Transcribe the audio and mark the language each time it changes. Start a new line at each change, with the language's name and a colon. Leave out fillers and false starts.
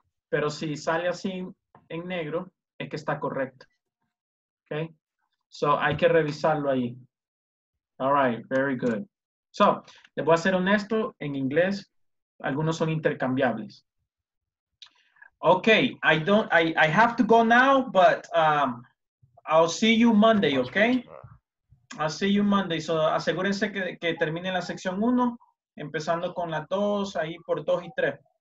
Spanish: Pero si sale así en negro, es que está correcto. Okay? So, hay que revisarlo ahí.
English: All right, very good.
Spanish: So, les voy a ser honesto, en inglés, algunos son intercambiables.
English: Okay, I have to go now, but I'll see you Monday, okay? I'll see you Monday.
Spanish: So, asegúrense que termine la sección 1, empezando con la 2, ahí por 2 y 3.